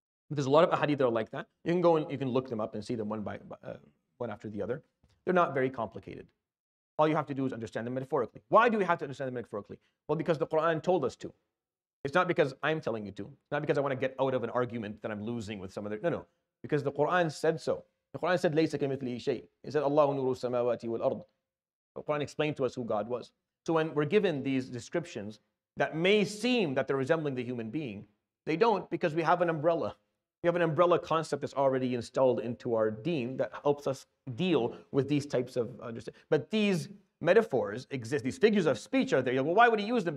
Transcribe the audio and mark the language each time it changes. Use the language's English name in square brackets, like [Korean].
[English] But there's a lot of ahadith that are like that. You can go and you can look them up and see them one by one after the other. They're not very complicated. All you have to do is understand them metaphorically. Why do we have to understand them metaphorically? Well, because the Quran told us to. It's not because I'm telling you to. It's not because I want to get out of an argument that I'm losing with some other. No. Because the Quran said so. The Quran said, [Arabic] لَيْسَ كَمِثْلِهِ شَيْءٍ. [English] It said, [Arabic] اللَّهُ نُورُ السَّمَاوَاتِ وَالْأَرْضِ. [English] The Quran explained to us who God was. So when we're given these descriptions that may seem that they're resembling the human being, they don't, because we have an umbrella. We have an umbrella concept that's already installed into our deen that helps us deal with these types of understanding. But these metaphors exist. These figures of speech are there. Well, why would he use them?